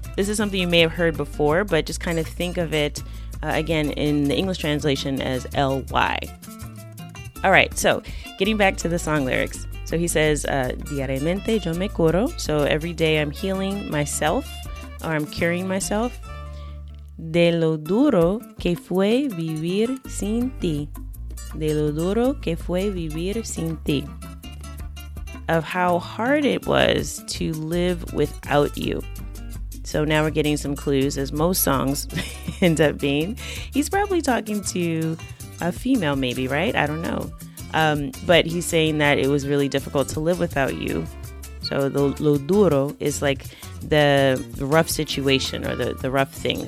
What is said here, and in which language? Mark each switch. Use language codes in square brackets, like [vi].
[en] This is something you may have heard before, but just kind of think of it, again, in the English translation as ly. All right, so getting back to the song lyrics. So he says, [es] diariamente yo me curo. [en] So every day I'm healing myself, or I'm curing myself. [es] De lo duro que fue vivir sin ti. De lo duro que fue vivir sin ti. [en] Of how hard it was to live without you. So now we're getting some clues, as most songs end up being. He's probably talking to a female maybe, right? I don't know. But he's saying that it was really difficult to live without you. So the lo duro is like the rough situation or the rough thing.